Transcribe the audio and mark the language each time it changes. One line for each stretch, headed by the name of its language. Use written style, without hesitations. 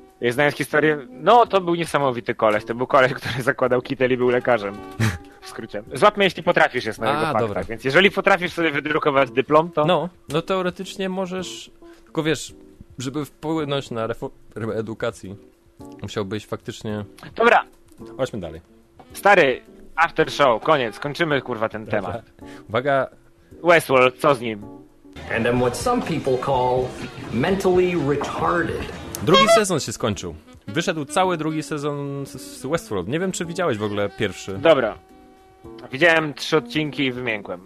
Polish: Znając historię, no to był niesamowity koleś. To był koleś, który zakładał kitel i był lekarzem. W skrócie. Złap mnie, jeśli potrafisz, jest na jego faktach. Dobra. Więc jeżeli potrafisz sobie wydrukować dyplom, to... No teoretycznie możesz... Tylko wiesz, żeby wpłynąć na reformę edukacji, musiałbyś faktycznie... Dobra. Chodźmy dalej. Stary, after show, koniec. Kończymy, kurwa, ten temat. Uwaga. Westworld, co z nim?
English: And I'm what some people call mentally retarded.
Polish: Drugi sezon się skończył. Wyszedł cały drugi sezon z Westworld. Nie wiem, czy widziałeś w ogóle pierwszy. Dobra. Widziałem 3 odcinki i wymiękłem.